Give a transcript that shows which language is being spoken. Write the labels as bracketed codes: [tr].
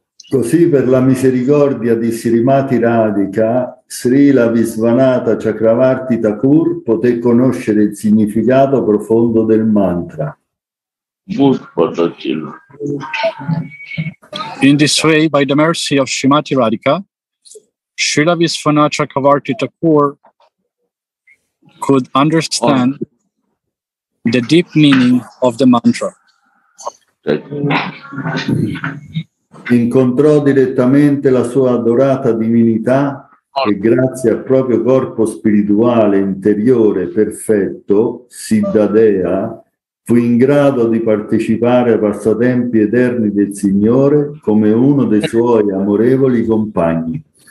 [it] Così per la misericordia di Srimati Radhika, Srila Visvanatha Chakravarti Thakur poté conoscere il significato profondo del mantra. [en] In this way, by the mercy of Srimati Radhika, Srila Visvanatha Chakravarti Thakur could understand the deep meaning of the mantra. [it] Incontrò direttamente la sua adorata divinità e grazie al proprio corpo spirituale interiore perfetto, Siddhadea, fu in grado di partecipare ai passatempi eterni del Signore come uno dei suoi amorevoli compagni.